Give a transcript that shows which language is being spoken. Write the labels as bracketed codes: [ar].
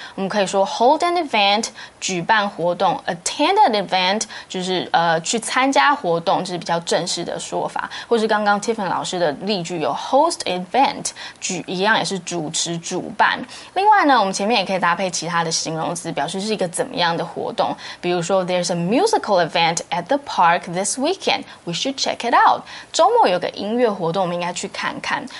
[zh] 我们可以说 [en] hold an event， [zh] 举办活动； [en] attend an event， [zh] 就是去参加活动，这、就是比较正式的说法。或是刚刚 Tiffany 老师的例句有 [en] host an event， [zh] 一样也是主持、主办。另外呢，我们前面也可以搭配其他的形容词，表示是一个怎么样的活动。比如说 [en] there's a musical event at the park this weekend. We should check it out. [zh] 周末有个音乐活动，我们应该去看看。